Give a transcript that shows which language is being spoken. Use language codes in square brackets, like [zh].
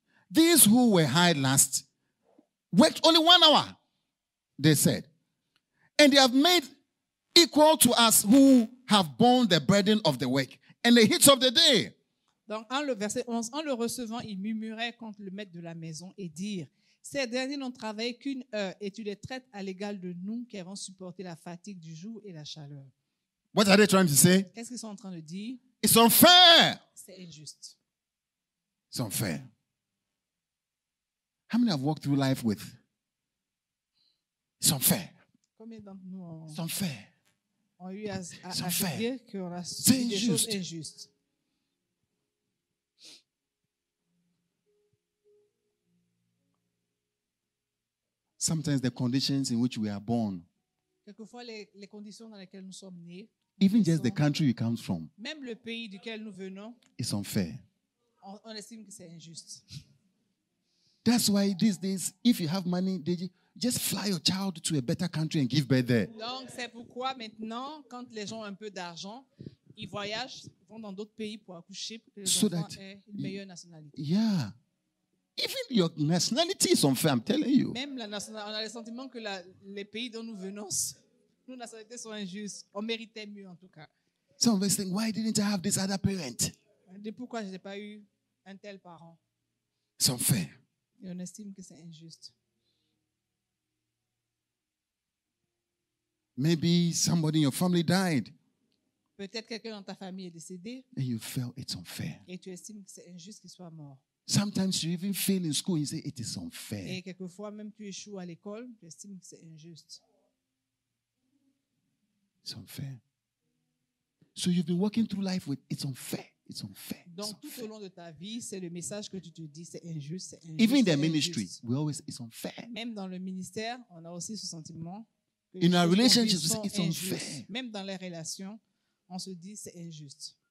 [en] These who were hired last worked only 1 hour, they said. And they have made equal to us who have borne the burden of the work and the heat of the day. [fr] Donc, en le verset 11, en le recevant, ils murmuraient contre le maître de la maison et dirent, ces derniers n'ont travaillé qu'une heure et tu les traites à l'égal de nous qui avons supporté la fatigue du jour et la chaleur. [en] What are they trying to say? [fr] Qu'est-ce qu'ils sont en train de dire? [en] It's unfair. [fr] C'est injuste. [en] It's unfair. How many have walked through life with? It's unfair. [fr] Combien d'entre nous ont? [en] It's unfair. [fr] On a eu à dire qu'on a subi des choses injustes. [en] Sometimes the conditions in which we are born. [fr] Quelquefois les conditions dans lesquelles nous sommes nés. [en] Even just the country you come from. [fr] Même le pays duquel nous venons. [en] It's unfair. [fr] On estime que c'est injuste. [en] That's why these days, if you have money, they just fly your child to a better country and give birth there. [fr] Donc c'est pourquoi maintenant, quand les gens ont un peu d'argent, ils voyagent, vont dans d'autres pays pour accoucher pour que les [en] so [fr] enfants aient une meilleure nationalité. [en] Yeah. Even your nationality is unfair, I'm telling you. [fr] Même la nationalité, on a le sentiment que les pays dont nous venons. Nos nationalités sont injustes. On méritait mieux, en tout cas. [en] Some of us think, why didn't I have this other parent? [fr] De pourquoi je n'ai pas eu un tel parent? C'est [en] unfair. [fr] Et on estime que c'est injuste. [en] Maybe somebody in your family died. [fr] Peut-être quelqu'un dans ta famille est décédé. [en] And you felt it's unfair. [fr] Et tu estimes que c'est injuste qu'il soit mort. [en] Sometimes you even fail in school and you say it is unfair. [fr] Et quelquefois même tu échoues à l'école, tu estimes que c'est injuste. [en] It's unfair. So you've been walking through life with it's unfair. It's unfair. It's [fr] donc [en] unfair. [fr] Tout au long de ta vie, c'est le message que tu te dis, c'est injuste, c'est injuste. [en] Even in the [fr] injuste. [en] Ministry, we always it's unfair. [fr] Même dans le ministère, on a aussi ce sentiment. [en] In our relationships, it's unfair. [fr] Même dans les relations, on se dit c'est injuste.